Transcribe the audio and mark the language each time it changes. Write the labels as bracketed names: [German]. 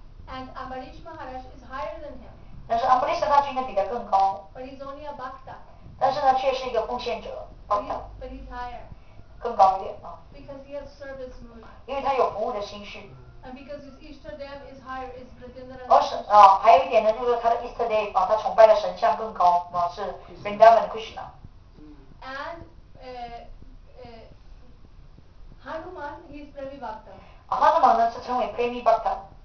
[English] And Ambarish Maharaj is higher than him. [Chinese] 但是 Ambarish 他就应该比他更高。 [English] But he's only a bhakta. [Chinese] 但是呢，却是一个奉献者。 [English] But he's higher. [Chinese] 更高一点啊。 [English] Because he has service mood. [Chinese] 因为他有服务的心绪。 [English] And because his Easter Dev is higher, is Vrindavan. [Chinese] 而是啊，还有一点呢，就是他的 Easter Dev 啊，他崇拜的神像更高啊，是 Vrindavan Krishna. [English] And Hanuman, he is Premi Bhakta. [Chinese] Hanuman 呢是称为 Premi Bhakta.